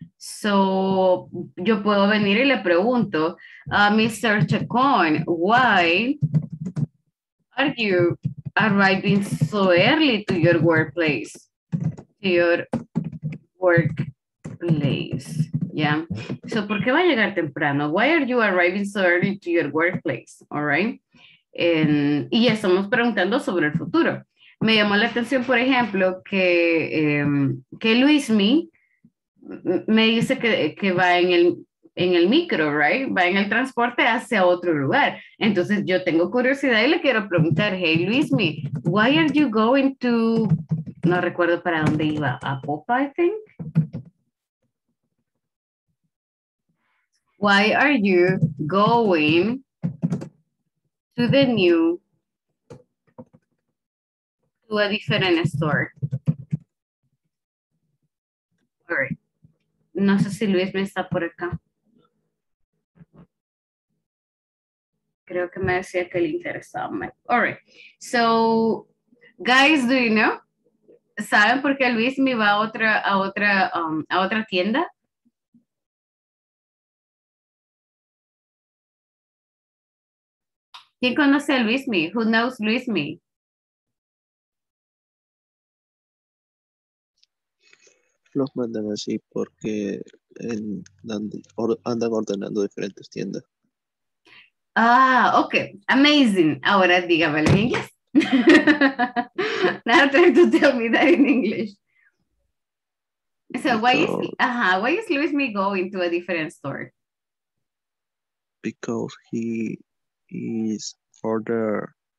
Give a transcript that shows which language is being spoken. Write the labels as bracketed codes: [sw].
[en] So, [es] yo puedo venir y le pregunto a Mr. [en] Chacón, why are you arriving so early to your workplace, to your work? Place, yeah. So, [es] ¿por qué va a llegar temprano? [en] Why are you arriving so early to your workplace? All right. [es] Y ya estamos preguntando sobre el futuro. Me llamó la atención, por ejemplo, que Luismi me dice que va en el micro, [en] right? [es] Va en el transporte hacia otro lugar. Entonces, yo tengo curiosidad y le quiero preguntar, [en] hey, [es] Luismi, [en] why are you going to, [es] no recuerdo para dónde iba, a Popa, [en] I think. Why are you going to the new, to a different store? All right. [es] No sé si Luis me está por acá. Creo que me decía que le interesaba. [en] All right. So, guys, do you know? [es] ¿Saben por qué Luis me va a otra tienda? ¿Quién conoce a Luismi? Who knows Luismi? Los mandan así porque andan ordenando diferentes tiendas. [en] Ah, okay. Amazing. [es] Ahora dígame en inglés. [en] Now try to tell me that in English. So why is why is Luis me going to a different store? Because he is order.